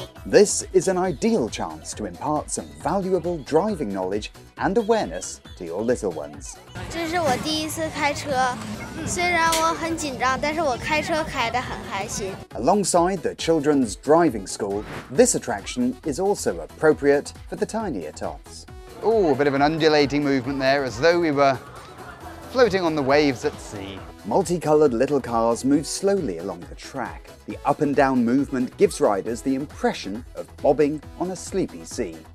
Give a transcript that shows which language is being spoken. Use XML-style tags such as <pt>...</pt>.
<en>This is an ideal chance to impart some valuable driving knowledge and awareness to your little ones.</en> <zh>这是我第一次开车，虽然我很紧张，但是我开车开得很开心。</zh> <en>Alongside the children's driving school, this attraction is also appropriate for the tinier tots. Oh, a bit of an undulating movement there, as though we were floating on the waves at sea. Multicolored little cars move slowly along the track. The up and down movement gives riders the impression of bobbing on a sleepy sea.</en>